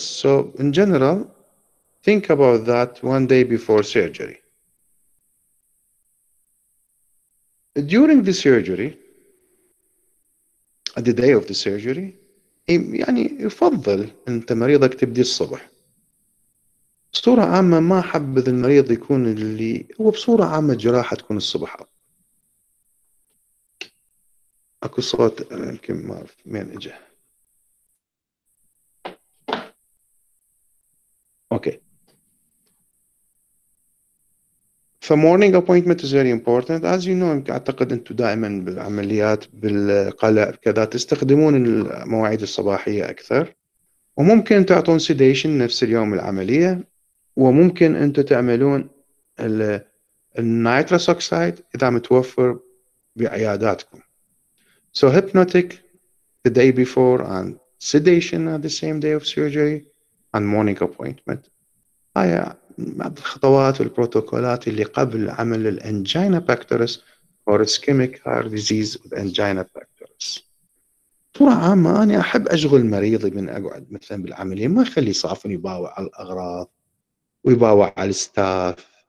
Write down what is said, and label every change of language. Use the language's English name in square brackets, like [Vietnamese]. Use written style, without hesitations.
[English] So in general, think about that one day before surgery. During the surgery, at the day of the surgery, [Arabic] يعني يفضل أنت مريضك تبدي الصبح. بصورة عامة ما حبذ المريض يكون اللي هو بصورة عامة جراحة تكون الصبح أو. أكو صوت يمكن ما أعرف من إجا. أوكي. [English] The morning appointment is very important. As you know, [Arabic] أعتقد أنتم دائما بالعمليات بالقلق كذا تستخدمون المواعيد الصباحية أكثر. وممكن تعطون sedation نفس اليوم العملية. وممكن أنتم تعملون النيتروس أوكسيد إذا متوفر بعياداتكم. [English] So hypnotic the day before and sedation at the same day of surgery and morning appointment. [Arabic] هاي بعض الخطوات والبروتوكولات اللي قبل عمل الانجينا باكتورس [English] or ischemic heart disease with angina pectoris. [Arabic] بصورة عامة أنا أحب أشغل مريضي من أقعد مثلا بالعملية ما أخلي صافني يباوع على الأغراض ويباوع على الستاف.